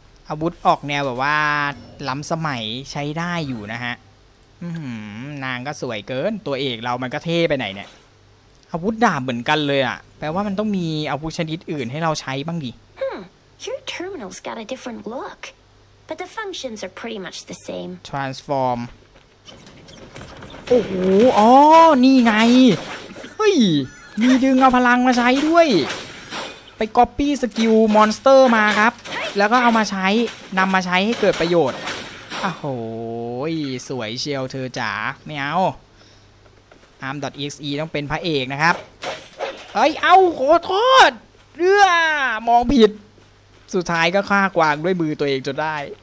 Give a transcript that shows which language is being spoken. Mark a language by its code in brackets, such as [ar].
[th] อาวุธออกแนวแบบว่าล้ำสมัยใช้ได้อยู่นะฮะนางก็สวยเกินตัวเอกเรามันก็เท่ไปไหนเนี่ยอาวุธดาบเหมือนกันเลยอ่ะแปลว่ามันต้องมีอาวุธชนิดอื่นให้เราใช้บ้างดิ [en] Your terminal's got a different look but the functions are pretty much the same [th] Transform โอ้โหอ๋อนี่ไงเฮ้ยมีดึงเอาพลังมาใช้ด้วยไป copy สกิลมอนสเตอร์มาครับแล้วก็เอามาใช้นำมาใช้ให้เกิดประโยชน์โอ้โหสวยเชียวเธอจ๋าไม่เอา arm.exe ต้องเป็นพระเอกนะครับเฮ้ยเอาขอโทษเรื่อมองผิดสุดท้ายก็ฆ่ากวางด้วยมือตัวเองจนได้